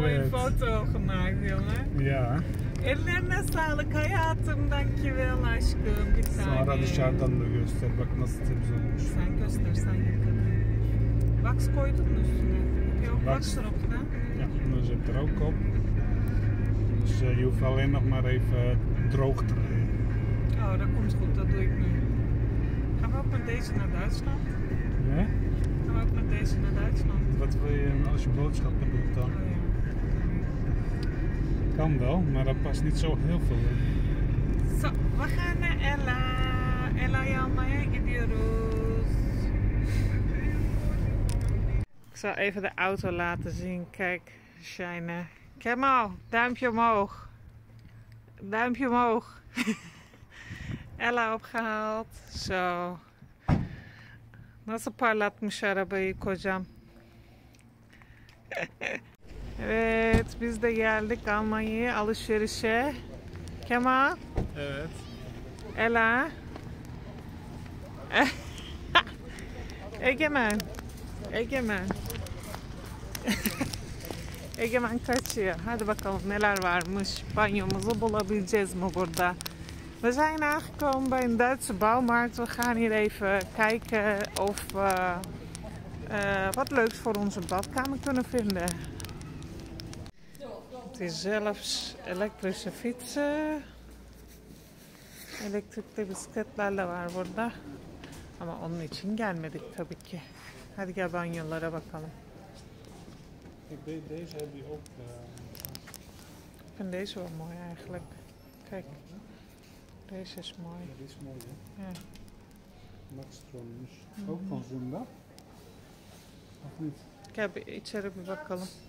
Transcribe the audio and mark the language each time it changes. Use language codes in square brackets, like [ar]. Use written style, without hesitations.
[nl] Mooie foto gemaakt, jongen. Ja. [tr] Ellerine sağlık hayatım, [en] thank you well [tr] aşkım, bir tane. Sonra dışarıdan da göster, bak nasıl temiz olmuş. Sen göster, sen yıkadın. Wax koydun mu üstüne? Yok, wax drop da. [nl] Ja, nu is het droog op. Dus je hoeft alleen nog maar even droog te rijden. Oh, dat komt goed, dat doe ik nu. Gaan we ook met deze naar Duitsland? Ja? Gaan we ook met deze naar Duitsland? Wat wil je als je boodschappen doet dan? Oh, ja. Kan wel, maar dat past niet zo heel veel in. Zo, we gaan naar Ella. [tr] Ella, Almanya gidiyoruz. [nl] Ik zal even de auto laten zien. Kijk, shine. Kemal, duimpje omhoog. Duimpje omhoog. Ella opgehaald. Zo. [tr] Nasıl parlatmış arabayı kocam. Evet, biz de geldik Almanya'ya alışverişe. Kemal. Evet. Ela. Egemen. Egemen. Egemen kaçıyor. Hadi bakalım neler varmış. Banyomuzu bulabileceğiz mi burada? [nl] We zijn aangekomen bij een Duitse bouwmarkt. We gaan hier even kijken of we wat leuks voor onze badkamer kunnen vinden. Het is zelfs elektrische fietsen. [tr] Elektrikli bisikletler de var burada. Ama onun için gelmedik tabii ki. Hadi gel banyolara bakalım. [nl] Deze heb je ook. Ik vind deze wel mooi eigenlijk. Kijk. Deze is mooi. Ja, die is mooi, hè? Ja. Maxstrom is ook van Zumba. Of niet? Ik heb iets er bij [tr] bakalım.